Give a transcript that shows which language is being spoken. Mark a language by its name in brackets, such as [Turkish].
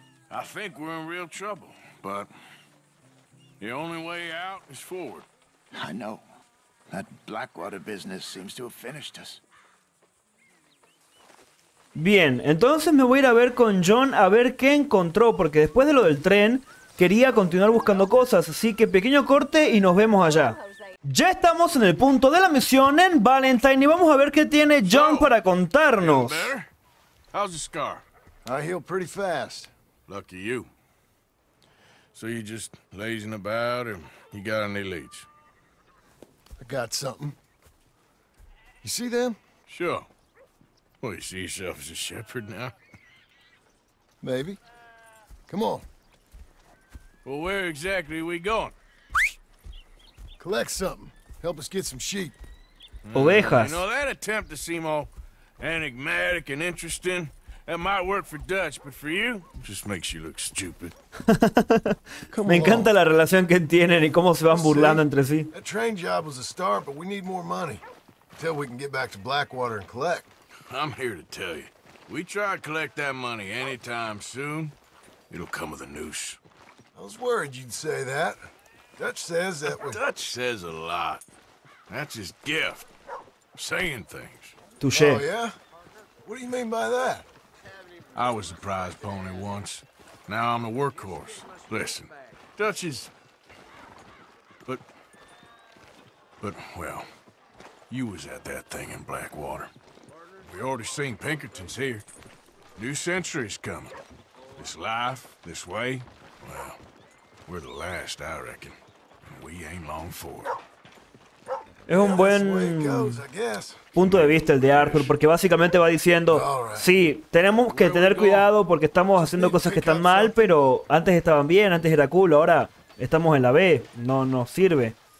[English] I think we're in real trouble, but the only way out is forward. I know. That Blackwater business seems to have finished us. [Spanish] Bien, entonces me voy a ir a ver con John a ver qué encontró, porque después de lo del tren, quería continuar buscando cosas, así que pequeño corte y nos vemos allá. Ya estamos en el punto de la misión en Valentine y vamos a ver qué tiene John para contarnos. [English] How's the scar? I heal pretty fast. Lucky you. So you just lazing about or you got any leads? I got something. You see them? Sure. Well, you see yourself as a shepherd now? Maybe. Come on. Well, where exactly are we going? Collect something. Help us get some sheep. [Spanish] Ovejas. [English] You know, that attempt to seem all enigmatic and interesting, that might work for Dutch, but for you, it just makes you look stupid. Come on. [Spanish] Me encanta la relación que tienen y cómo se van burlando entre sí. [English] That train job was a start, but we need more money until we can get back to Blackwater and collect. I'm here to tell you, we try to collect that money anytime soon, it'll come with a noose. I was worried you'd say that. Dutch says that we're... Dutch says a lot. That's his gift. Saying things. Touché. Oh, yeah? What do you mean by that? I was a prize pony once. Now I'm a workhorse. Listen, Dutch is... Well, you was at that thing in Blackwater. We already seen Pinkerton's here. New century's coming. This life, this way, well, we're the last, I reckon. We ain't long for it. [Spanish] Es un buen punto de vista el de Arthur, porque básicamente va diciendo, sí, tenemos que tener cuidado porque estamos haciendo cosas que están mal, pero antes estaban bien, antes era cool, ahora estamos en la B, no nos sirve.